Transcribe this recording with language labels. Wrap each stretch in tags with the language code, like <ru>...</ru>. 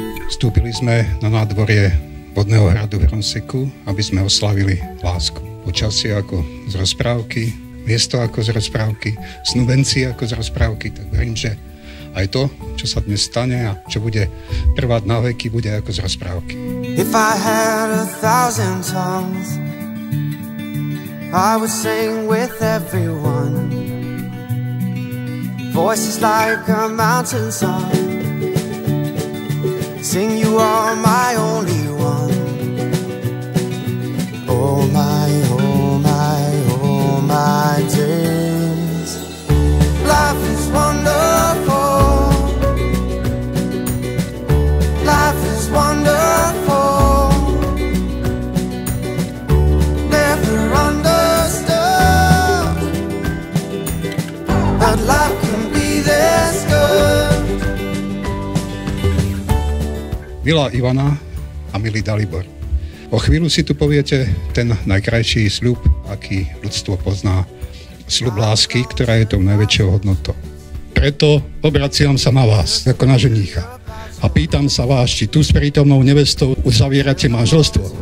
<sk>Vstúpili sme na nádvorie vodného hradu v Hronseku, aby sme oslavili lásku. Počasie ako z rozprávky, miesto ako z rozprávky, snúbenci ako z rozprávky, tak verím, že aj to, čo sa dnes stane a čo bude trvať na veky, bude ako z rozprávky.</sk> <en>If I had a thousand tongues, I would sing with everyone. Voices like a mountain song. Sing, you are my only one. Oh my, days. Life is wonderful. Life is wonderful. Never understood that life can be this good.</en> <sk>Milá Ivana a milý Dalibor, o chvíľu si tu poviete ten najkrajší sľub, aký ľudstvo pozná. Sľub lásky, ktorá je tou najväčšou hodnotou. Preto obraciam sa na vás, ako na ženícha. A pýtam sa vás, či tu s prítomnou nevestou uzavierate manželstvo?</sk>